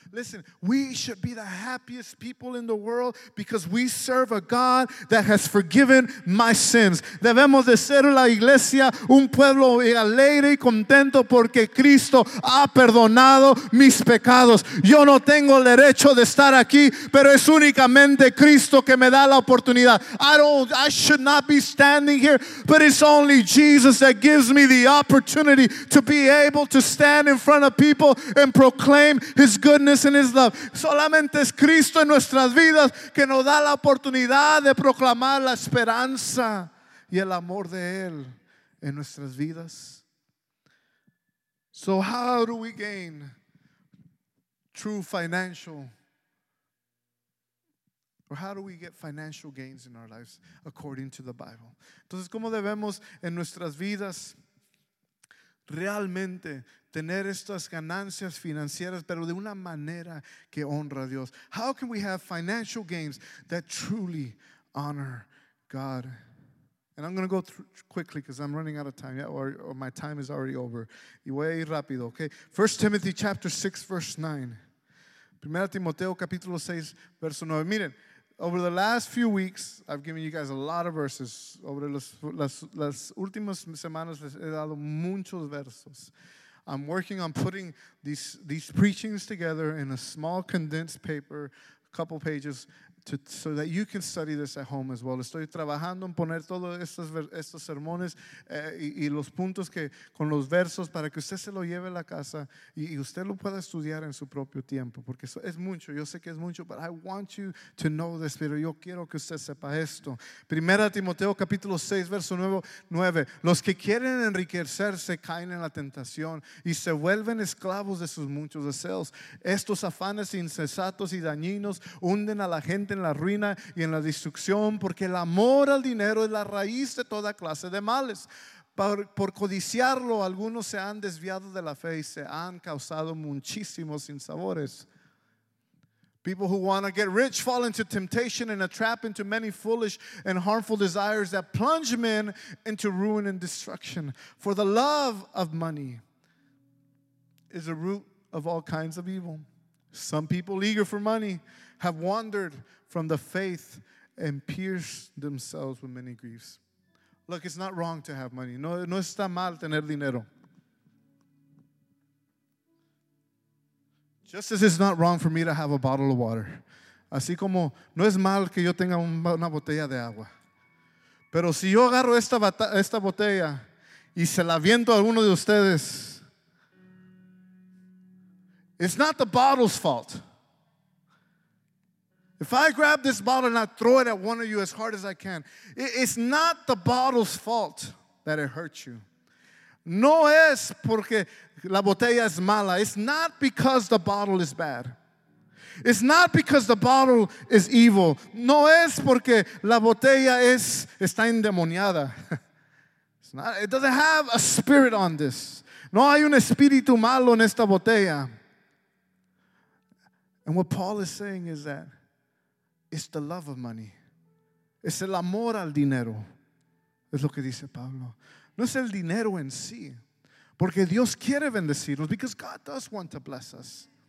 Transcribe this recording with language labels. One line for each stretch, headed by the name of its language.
English: Listen, we should be the happiest people in the world because we serve a God that has forgiven my sins.
Spanish: Debemos de ser la iglesia un pueblo alegre y contento porque Cristo ha perdonado mis pecados. Yo no tengo el derecho de estar aquí, pero es únicamente Cristo que me da la oportunidad.
English: I should not be standing here, but it's only Jesus that gives me the opportunity to be able to stand in front of people and proclaim his goodness and his love.
Spanish: Solamente es Cristo en nuestras vidas que nos da la oportunidad de proclamar la esperanza y el amor de él en nuestras vidas.
English: So how do we gain true financial, or how do we get financial gains in our lives according to the Bible?
Spanish: Entonces, ¿cómo debemos en nuestras vidas realmente tener estas ganancias financieras, pero de una manera que honra a Dios?
English: How can we have financial gains that truly honor God? And I'm going to go through quickly because I'm running out of time. Yeah, or my time is already over.
Spanish: Y voy a ir rápido,
English: okay? 1 Timothy chapter 6, verse 9.
Spanish: 1 Timoteo capítulo 6, verso 9. Miren,
English: over the last few weeks, I've given you guys a lot of verses. Over
Spanish: las últimas semanas, les he dado muchos versos.
English: I'm working on putting these preachings together in a small condensed paper, a couple pages, so that you can study this at home as well.
Spanish: Estoy trabajando en poner todos estos sermones y los puntos que con los versos para que usted se lo lleve a la casa y usted lo pueda estudiar en su propio tiempo. Porque eso es mucho. Yo sé que es mucho,
English: but I want you to know this.
Spanish: Pero yo quiero que usted sepa esto. Primera Timoteo capítulo 6, verso 9. Los que quieren enriquecerse caen en la tentación y se vuelven esclavos de sus muchos deseos. Estos afanes insensatos y dañinos hunden a la gente en la ruina y en la destrucción, porque el amor al dinero es la raíz de toda clase de males. Por codiciarlo, algunos se han desviado de la fe y se han causado muchísimos sinsabores.
English: People who want to get rich fall into temptation and a trap, into many foolish and harmful desires that plunge men into ruin and destruction. For the love of money is the root of all kinds of evil. Some people eager for money have wandered from the faith and pierced themselves with many griefs. Look, it's not wrong to have money.
Spanish: No está mal tener dinero.
English: Just as it's not wrong for me to have a bottle of water.
Spanish: Así como no es mal que yo tenga una botella de agua. Pero si yo agarro esta botella y se la aviento a alguno de ustedes,
English: it's not the bottle's fault. If I grab this bottle and I throw it at one of you as hard as I can, it's not the bottle's fault that it hurts you.
Spanish: No es porque la botella es mala.
English: It's not because the bottle is bad. It's not because the bottle is evil.
Spanish: No es porque la botella está endemoniada.
English: It's not, it doesn't have a spirit on this.
Spanish: No hay un espíritu malo en esta botella.
English: And what Paul is saying is that it's the love of money.
Spanish: Es el amor al dinero. Es lo que dice Pablo. No es el dinero en sí. Porque Dios quiere bendecirnos.
English: Because God does want to bless us.